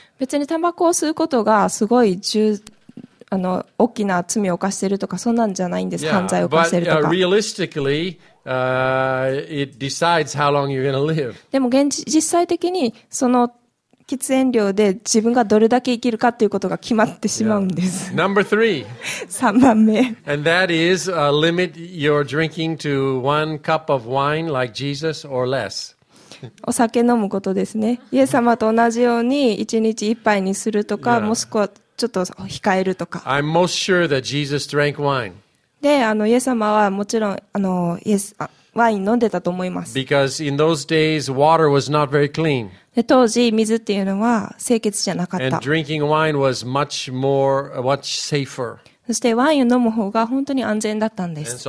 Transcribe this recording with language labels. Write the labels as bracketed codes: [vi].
[ja] 別にタバコを吸うことがすごい大きな罪を犯しているとかそんなんじゃないんです。 [en] Yeah, [ja] 犯罪を犯しているとか。 [en] But, realistically, it decides how long you're gonna live. [ja] でも実際的にその喫煙料で自分がどれだけ生きるかということが決まってしまうんです。 [en] Yeah. Number three. [ja] 3番目。 [en] And that is, limit your drinking to one cup of wine like Jesus or less. [ja] お酒飲むことですね。イエス様と同じように一日一杯にするとか、もしくはちょっと控えるとか。 [en] I'm most sure that Jesus drank wine. [ja] で、イエス様はもちろん、ワイン飲んでたと思います。 [en] Because in those days, water was not very clean. [ja] で、当時、水っていうのは清潔じゃなかった。 [en] And drinking wine was much more, much safer. [ja] そしてワインを飲む方が本当に安全だったんです。